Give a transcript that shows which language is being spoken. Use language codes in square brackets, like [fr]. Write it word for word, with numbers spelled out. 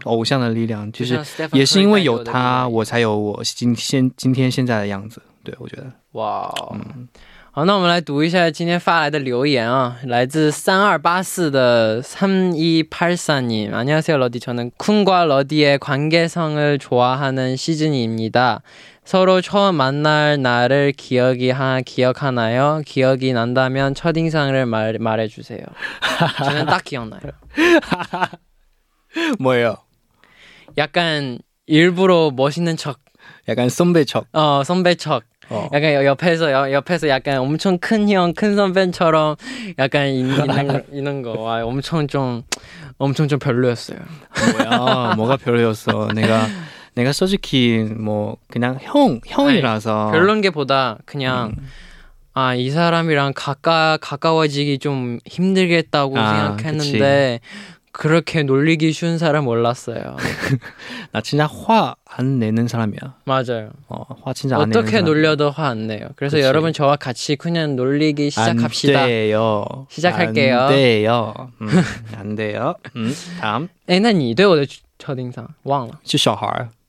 [zh] 偶像的力量，就是也是因为有他，我才有我今现今天现在的样子。对，我觉得哇、wow. 嗯。好，那我们来读一下今天发来的留言啊，来自삼이팔사的 [ko] 삼이팔사님 안녕하세요 러디 저는 쿤과 러디의 관계성을 좋아하는 시즌입니다. 서로 처음 만날 날을 기억이 하, 기억하나요? 기억이 난다면 첫인상을 말, 말해주세요. 저는 딱 기억나요. 뭐예요? 약간 일부러 멋있는 척. 약간 선배 척. 어, 선배 척. 어. 약간 옆에서 옆에서 약간 엄청 큰 형, 큰 선배처럼 약간 있는 있는 거. 와, 엄청 좀 엄청 좀 별로였어요. 뭐야? 뭐가 별로였어? 내가 내가 솔직히 뭐 그냥 형 형이라서 아니, 별론 게 보다 그냥 음. 아, 이 사람이랑 가까 가까워지기 좀 힘들겠다고 아, 생각했는데. 그치. 그렇게 놀리기 쉬운 사람 몰랐어요. 나 진짜 화 안 내는 사람이야. 맞아요. 어, 화 진짜 안 내는 사람. 어떻게 놀려도 화 안 내요. 그래서 그치. 여러분 저와 같이 그냥 놀리기 시작합시다. 안 돼요. 시작할게요. 안 돼요. 음, 안 돼요. 음, 다음. [zh] 哎，那你对我的첫印象忘了？是小孩。